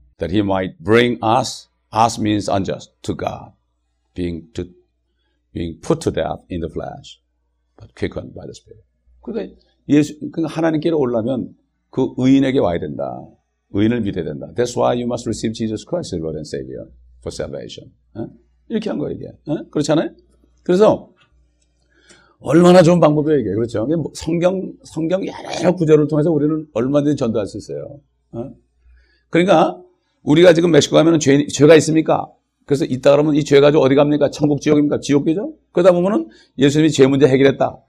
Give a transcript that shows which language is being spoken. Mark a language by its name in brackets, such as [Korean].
[English] That he might bring us means unjust, to God, being put to death in the flesh, but quickened by the Spirit. [Korean] 그러니까 하나님께로 오려면 그 의인에게 와야 된다. 의인을 믿어야 된다. [English] That's why you must receive Jesus Christ as Lord and Savior for salvation. [Korean] 이렇게 한 거예요, 이게. 그렇잖아요? 그래서 얼마나 좋은 방법이에요, 이게. 그렇죠? 성경 여러 구절을 통해서 우리는 얼마든지 전도할 수 있어요. 그러니까 우리가 지금 멕시코 가면 죄가 있습니까? 그래서 있다 그러면 이 죄가 어디 갑니까? 천국 지옥입니까? 지옥이죠? 그러다 보면은 예수님이 죄 문제 해결했다.